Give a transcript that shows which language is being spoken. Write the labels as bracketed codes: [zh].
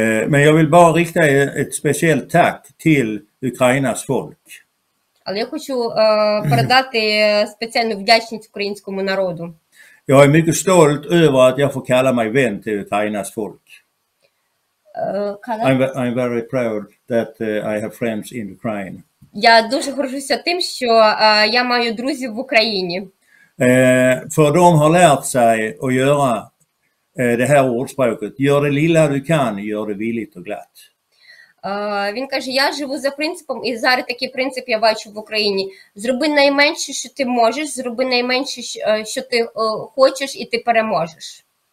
[sv] Men jag vill bara rikta ett speciellt tack till Ukrainas folk. [uk] Але я хочу передати спеціальну вдячність українському народу. [sv] Jag är mycket stolt över att jag får kalla mig vän till Ukrainas folk. [en] I'm very proud that I have friends in Ukraine. [uk] Я дуже горжуся тим, що я маю друзів в Україні. [sv] For de har lärt sig att göra det här ordspråket. Gör det lilla du kan, gör det villigt och glatt. [uk] Він каже, я живу за принципом, і зараз такий принцип я бачу в Україні. Зроби найменше, що ти можеш, зроби найменше, що ти хочеш, і ти переможеш.